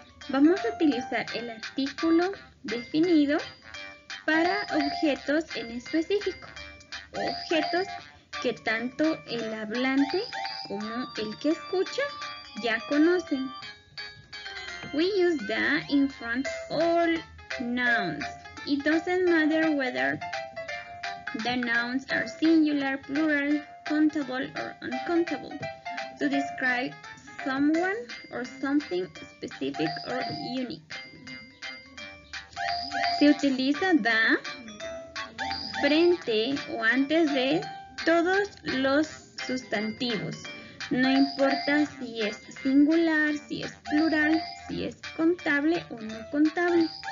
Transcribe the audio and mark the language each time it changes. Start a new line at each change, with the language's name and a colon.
Spanish: Vamos a utilizar el artículo definido para objetos en específico, objetos que tanto el hablante como el que escucha ya conocen.
English: We use the in front of all nouns. It doesn't matter whether the nouns are singular, plural, countable or uncountable to describe someone or something specific or unique.
Spanish: Se utiliza the frente o antes de todos los sustantivos. No importa si es singular, si es plural, si es contable o no contable.